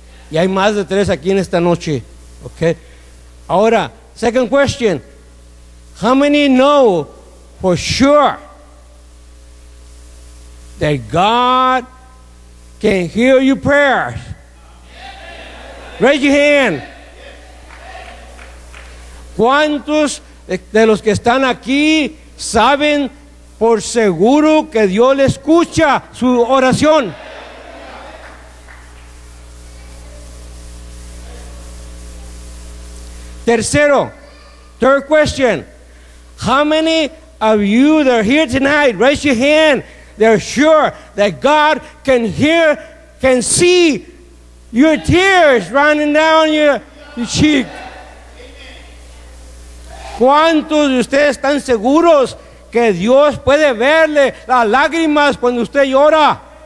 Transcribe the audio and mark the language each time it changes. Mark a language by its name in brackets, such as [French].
[Spanish] Y hay más de tres aquí en esta noche. [English] Okay. [Spanish] Ahora, [English] second question. How many know for sure that God can hear your prayers? Raise your hand. [Spanish] ¿Cuántos de los que están aquí saben por seguro que Dios le escucha su oración? Tercero, [English] third question. How many of you that are here tonight, raise your hand, they're sure that God can hear, can see your tears running down your cheek? [Spanish] ¿Cuántos de ustedes están seguros que Dios puede verle las lágrimas cuando usted llora?